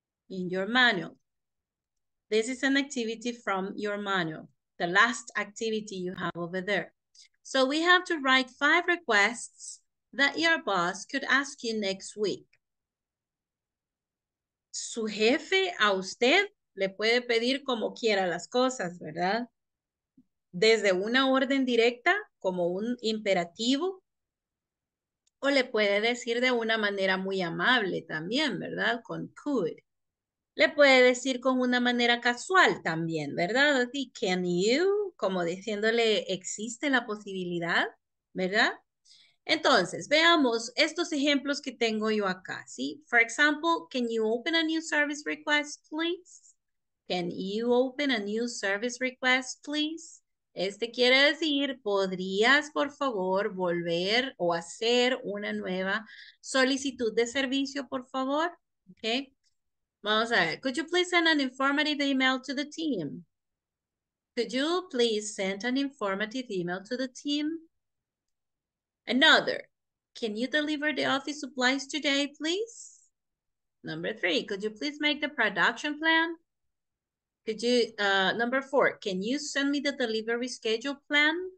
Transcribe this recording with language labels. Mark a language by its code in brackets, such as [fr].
[en] In your manual. This is an activity from your manual. The last activity you have over there. So we have to write five requests that your boss could ask you next week. [es] Su jefe a usted le puede pedir como quiera las cosas, ¿verdad? Desde una orden directa, como un imperativo, o le puede decir de una manera muy amable también, ¿verdad? Con could. Le puede decir con una manera casual también, ¿verdad? Así, [en] can you, [es] como diciéndole, existe la posibilidad, ¿verdad? Entonces, veamos estos ejemplos que tengo yo acá, ¿sí? [en] For example, can you open a new service request, please? Can you open a new service request, please? [es] Este quiere decir, ¿podrías, por favor, volver o hacer una nueva solicitud de servicio, por favor? ¿Ok? Vamos a ver. [en] Could you please send an informative email to the team? Could you please send an informative email to the team? Another, can you deliver the office supplies today, please? Number three, could you please make the production plan? Could you, number four, can you send me the delivery schedule plan?